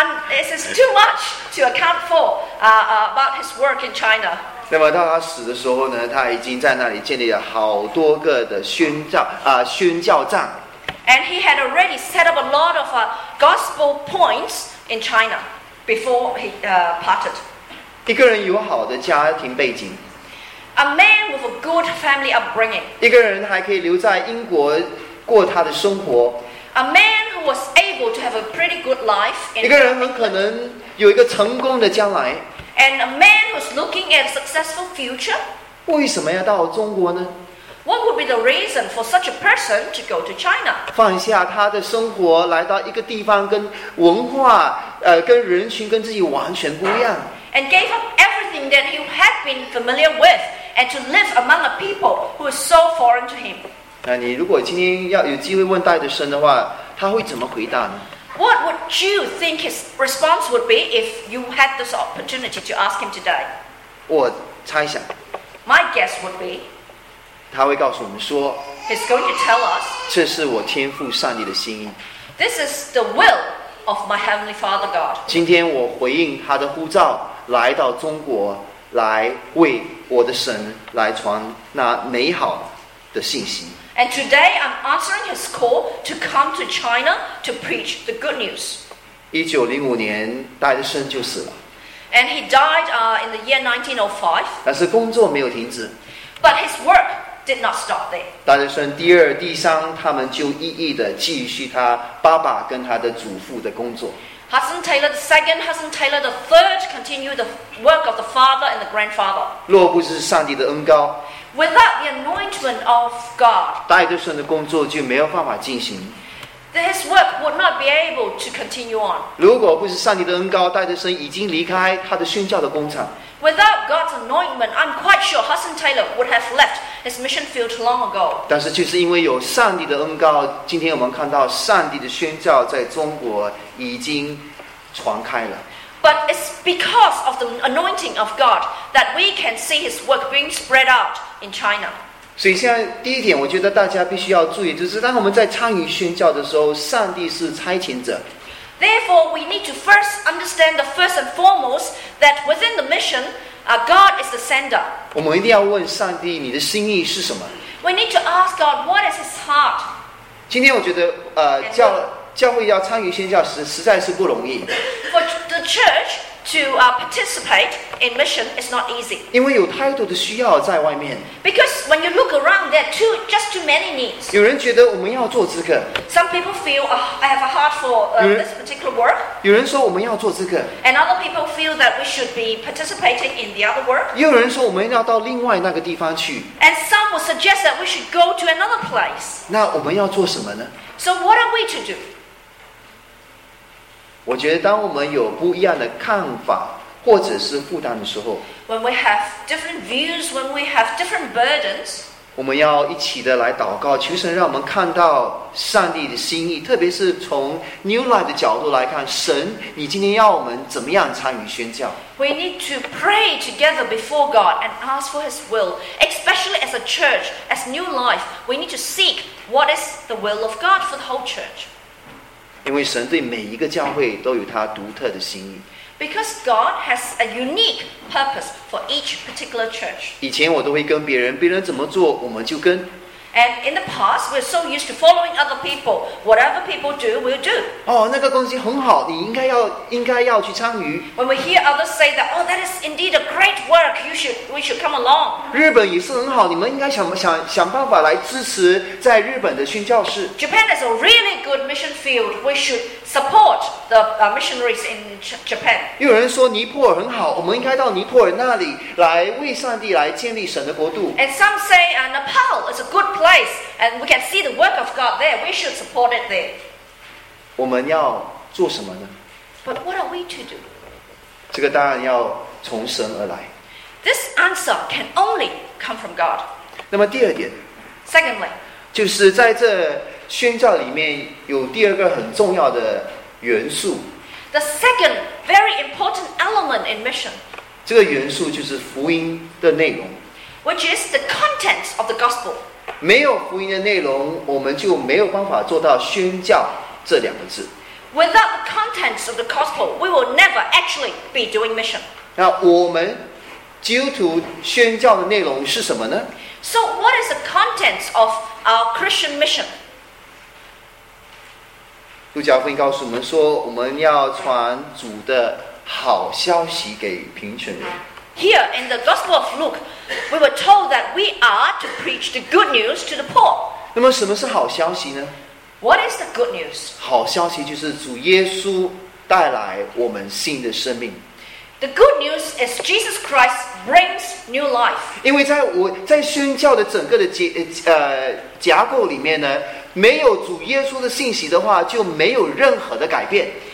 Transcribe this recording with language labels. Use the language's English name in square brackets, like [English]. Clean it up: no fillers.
[English] It's too much to account for about his work in China. [Chinese] 那么到他死的时候呢，他已经在那里建立了好多个的宣教站。 [English] And he had already set up a lot of gospel points in China before he parted. [Chinese] 一个人有好的家庭背景。 [English] A man with a good family upbringing. [Chinese] 一个人还可以留在英国过他的生活。 [English] A man who was able to have a pretty good life. [Chinese] 一个人很可能有一个成功的将来。 [English] And a man who's looking at a successful future. [Chinese] 为什么要到中国呢？ [English] What would be the reason for such a person to go to China? [Chinese] 放下他的生活，来到一个地方，跟文化，跟人群，跟自己完全不一样。 [English] And gave up everything that he had been familiar with, and to live among a people who is so foreign to him. [Chinese] 那你如果今天要有机会问戴德生的话，他会怎么回答呢？ [English] What would you think his response would be if you had this opportunity to ask him today? [Chinese] 我猜想。 [English] My guess would be. [Chinese] 他会告诉我们说 [English] He's going to tell us, [Chinese] 这是我天父上帝的心意 [English] This is the will of my Heavenly Father God. [Chinese] 今天我回应他的呼召来到中国来为我的神来传那美好的信息 [English] And today I'm answering his call to come to China to preach the good news. [Chinese] 1905年戴德生就死了 [English] And he died in the year 1905. [Chinese] 但是工作没有停止 [English] But his workDid not stop there. [Chinese] 戴德生第二、第三，他们就一一的继续他爸爸跟他的祖父的工作。 [English] Hudson Taylor the second, Hudson Taylor the third, continued the work of the father and the grandfather. [Chinese] 若不是上帝的恩膏 [English] ，without the anointment of God, [Chinese] 戴德生的工作就没有办法进行。 [English] His work would not be able to continue on. [Chinese] 如果不是上帝的恩膏，戴德生已经离开他的宣教的工厂。 [English] Without God's anointment, I'm quite sure Hudson Taylor would have left his mission field long ago. [Chinese] 但是就是因为有上帝的恩膏，今天我们看到上帝的宣教在中国已经传开了。 [English] But it's because of the anointing of God that we can see his work being spread out in China. [Chinese] 所以现在第一点，我觉得大家必须要注意，就是当我们在参与宣教的时候，上帝是差遣者。 [English] Therefore, we need to first understand the first and foremost that within the mission, God is the sender. [Chinese] 我们一定要问上帝，你的心意是什么 [English] ？We need to ask God what is His heart. [Chinese] 今天我觉得，教会要参与宣教实在是不容易。 [English] For the church to participate in mission is not easy. [Chinese] 因为有太多的需要在外面。 [English] Because when you look around, there are just too many needs. [Chinese] 有人觉得我们要做这个。 [English] Some people feel, I have a heart for this particular work. [Chinese] 有人说我们要做这个。 [English] And other people feel that we should be participating in the other work. [Chinese] 又有人说我们要到另外那个地方去。 [English] And some will suggest that we should go to another place. [Chinese] 那我们要做什么呢？ [English] So what are we to do? [Chinese] 我觉得当我们有不一样的看法或者是负担的时候 [English] When we have different views, when we have different burdens [Chinese] 我们要一起的来祷告求神让我们看到上帝的心意特别是从 New Life 的角度来看神你今天要我们怎么样参与宣教 [English] We need to pray together before God and ask for His will especially as a church, as New Life we need to seek what is the will of God for the whole church [Chinese] 因为神对每一个教会都有他独特的心意。 [English] Because God has a unique purpose for each particular church. [Chinese] 以前我都会跟别人怎么做我们就跟。 [English] And in the past, we're so used to following other people. Whatever people do, we'll do. [Chinese] 哦，那个东西很好，你应该要去参与。 [English] When we hear others say that, oh, that is indeed a great work. We should come along. [Chinese] 日本也是很好，你们应该想办法来支持在日本的宣教士。 [English] Japan is a really good mission field. We should support the missionaries in Japan. [Chinese] 有人说尼泊尔很好，我们应该到尼泊尔那里来为上帝来建立神的国度。 [English] And some say, Nepal is a good place and we can see the work of God there we should support it there [Chinese] 我们要做什么呢 [English] but what are we to do [Chinese] 这个答案要从神而来 [English] this answer can only come from God [Chinese] 那么第二点 [English] secondly [Chinese] 就是在这宣教里面有第二个很重要的元素 [English] the second very important element in mission [Chinese] 这个元素就是福音的内容 [English] which is the content of the gospel [Chinese] 没有福音的内容，我们就没有办法做到宣教这两个字。 [English] Without the contents of the gospel, we will never actually be doing mission. [Chinese] 那我们基督徒宣教的内容是什么呢 [English] ？So what is the contents of our Christian mission? [Chinese] 路加福音告诉我们说，我们要传主的好消息给贫穷人。 [English] Here in the Gospel of Luke, we were told that we are to preach the good news to the poor. [Chinese] 那么什么是好消息呢？ [English] What is the good news? [Chinese] 好消息就是主耶稣带来我们新的生命。 [English] The good news is Jesus Christ brings new life. [Chinese] 因为在我在宣教的整个的架构里面呢，没有主耶稣的信息的话，就没有任何的改变。